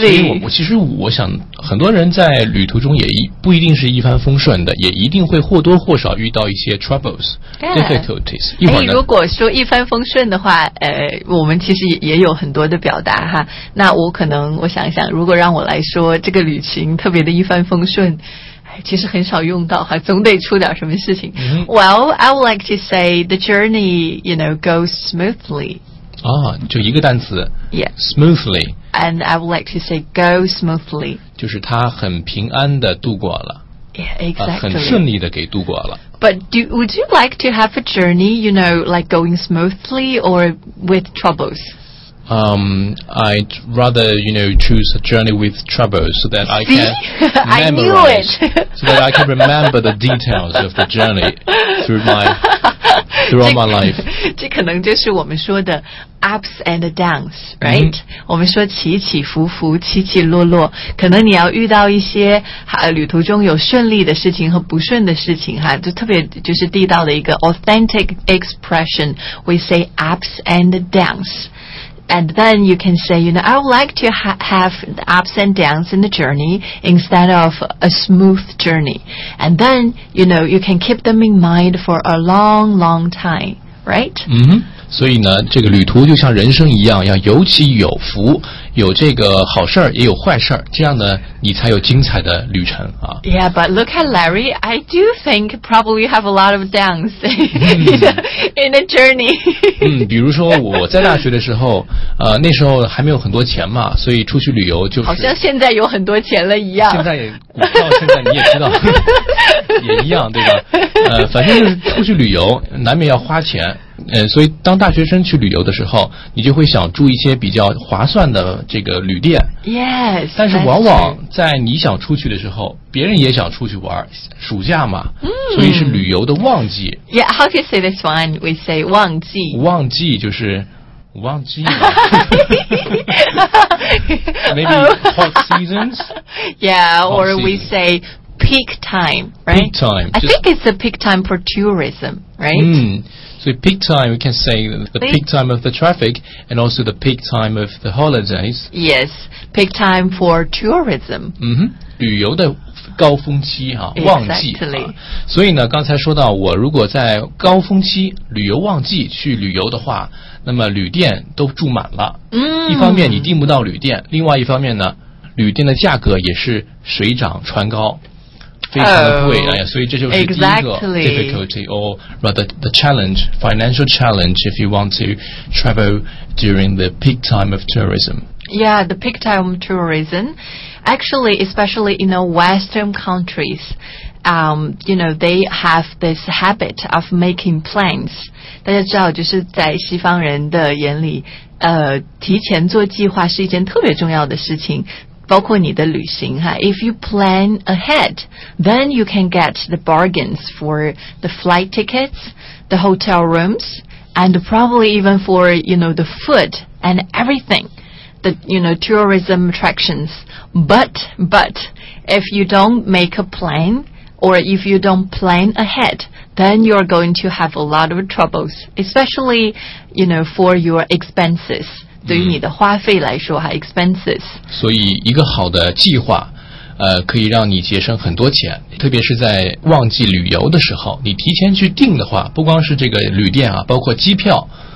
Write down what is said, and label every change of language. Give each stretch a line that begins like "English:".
Chinese: 所以我其实我想，很多人在旅途中也不一定是一帆风顺的，也一定会或多或少遇到一些 troubles、difficulties。一会儿呢，如果说一帆风顺的话，我们其实 也有很多的表达哈。那我可能我想想，如果让我来说这个旅行特别的一帆风顺。其实很少用到，总得出点什么事情。 Mm-hmm.
English: Well, I would like to say the journey, you know, goes smoothly.
Chinese: 啊，就一个单词。
English: Yeah. Smoothly. And I would like to say go smoothly.
Chinese: 就是他很平安的度过了。
English: Yeah, exactly.、
Chinese: 很顺利的给度过了。
English: But would you like to have a journey, you know, like going smoothly or with troubles? I'd rather, you know, choose a journey with troubles so that I can memorize. I knew it. So that I can remember the details of the journey throughout my life.
Chinese: 这可能就是我们说的
English: ups and downs, right?、 Mm-hmm.
Chinese: 我们说起起伏伏，起起落落。可能你要遇到一些、旅途中有顺利的事情和不顺的事情哈，就特别就是地道的一个
English: authentic expression. We say ups and downs. And then you can say, you know, I would like to have the ups and downs in the journey instead of a smooth journey. And then, you know, you can keep them in mind for a long, long time, right?
Chinese: 嗯，所以呢，这个旅途就像人生一样，要有起有伏，有这个好事儿，也有坏事儿，这样呢，你才有精彩的旅程啊。
English: Yeah, but look at Larry. I do think probably you have a lot of downs in a journey.
Chinese: 嗯，比如说我在大学的时候，那时候还没有很多钱嘛，所以出去旅游就是好像现在有很多钱了一样。现在股票现在你也知道，也一样对吧？反正就是出去旅游难免要花钱。所以当大学生去旅游的时候，你就会想住一些比较划算的这个旅店。
English: Yes.
Chinese: 但是往往在你想出去的时候，别人也想出去玩，暑假嘛，所以是旅游的旺季。
English: Yeah, how do you say this one? We say 旺季。
Chinese: 旺季就是。旺季，
English: maybe hot seasons. Yeah, or we say peak time, right? Peak time. I think it's the peak time for tourism, right? 嗯，所以 peak time we can say the peak time of the traffic and also the peak time of the holidays. Yes, peak time for tourism.
Chinese: 嗯哼，旅游的高峰期哈、旺季、
English: exactly.
Chinese: 所以呢，刚才说到我如果在高峰期旅游旺季去旅游的话。那么旅店都住满了、一方面你订不到旅店，另外一方面呢，旅店的价格也是水涨船高，非常的贵、所以这就是第一个 difficulty、
English: exactly. or rather the challenge, financial challenge if you want to travel during the peak time of tourism. Yeah, the peak time of tourism. Actually, especially in the Western countriesyou know, they have this habit of making plans.
Chinese: 大家知道就是在西方人的眼里提前做计划是一件特别重要的事情，包括你的旅行哈。
English: If you plan ahead, then you can get the bargains for the flight tickets, the hotel rooms, and probably even for, you know, the food and everything. The, you know, tourism attractions. But, if you don't make a plan, or if you don't plan ahead, then you're going to have a lot of troubles, especially, you know, for your expenses.
Chinese: 对于你的花费来说还 expenses. 所以一个好的计划可以让你节省很多钱，特别是在旺季旅游的时候，你提前去订的话，不光是这个旅店啊，包括机票。